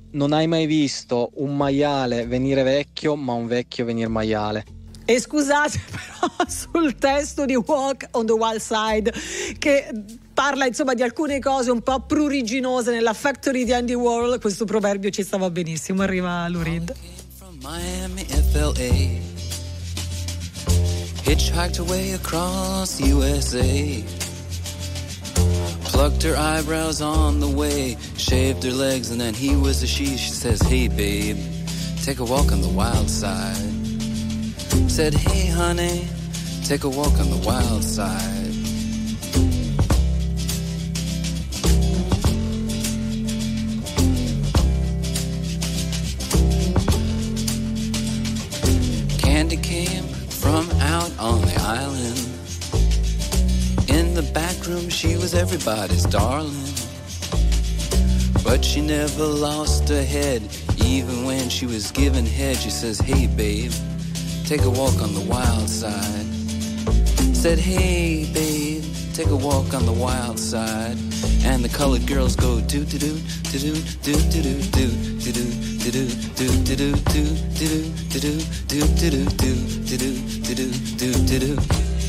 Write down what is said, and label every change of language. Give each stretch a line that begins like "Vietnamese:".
Italian: Non hai mai visto un maiale venire vecchio, ma un vecchio venir maiale. E scusate però sul testo di Walk on the Wild Side, che parla insomma di alcune cose un po' pruriginose nella Factory di Andy Warhol, questo proverbio ci stava benissimo. Arriva Lou Reed.
English: From Miami, FLA, hitchhiked away across USA, plucked her eyebrows on the way, shaved her legs and then he was a she. She says, hey babe, take a walk on the wild side. Said, hey honey, take a walk on the wild side. Candy came from out on the island. In the back room she was everybody's darling. But she never lost her head, even when she was given head. She says, hey babe, take a walk on the wild side. Said, hey babe, take a walk on the wild side. And the colored girls go do do do do do do do do do do do do do do do do do do do do do do do do do do do do do do do do.